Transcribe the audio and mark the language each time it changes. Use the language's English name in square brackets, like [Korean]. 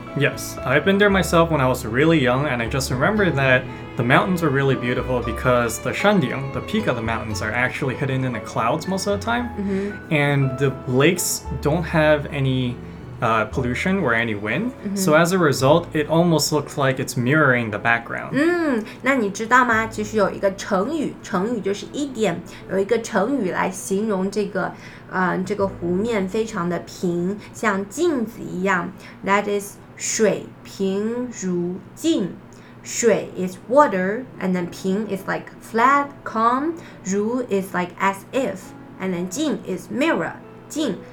[English] Yes, I've been there myself when I was really young, and I just remember that the mountains are really beautiful because the shanding, the peak of the mountains, are actually hidden in the clouds most of the time, and the lakes don't have any pollution or any wind, so as a result, it almost looks like it's mirroring the background. [Chinese] 那你知道吗？其实有一个成语，成语就是一点，有一个成语来形容这个。这个湖面非常的平，像镜子一样。 [English] That is [Chinese] 水平如镜。 [English] 水 is water, and then 平 is like flat, calm. 如 is like as if, and then 镜 is mirror, 镜。